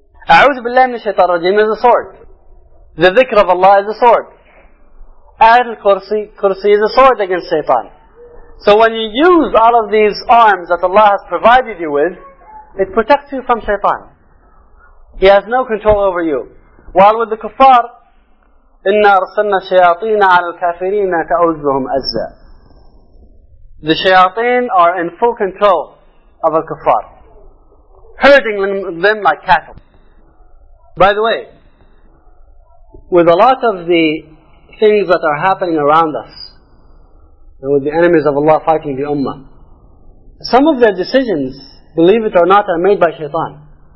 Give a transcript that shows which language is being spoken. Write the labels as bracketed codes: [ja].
[ar] A'udhu billahi min shaitan rajim [en] is a sword. The dhikr of Allah is a sword. Ayat al-Kursi is a sword against shaitan. So when you use all of these arms that Allah has provided you with, it protects you from shaitan. He has no control over you. While with the kuffar, [ar] إِنَّا أَرْسَلْنَا الشَّيَاطِينَ عَلَى الْكَافِرِينَ تَعُوذُّهُمْ أَزَّى. [en] The shayateen are in full control of al-kuffar, herding them like cattle. By the way, with a lot of the things that are happening around us, and with the enemies of Allah fighting the ummah, some of their decisions, believe it or not, are made by shaitan.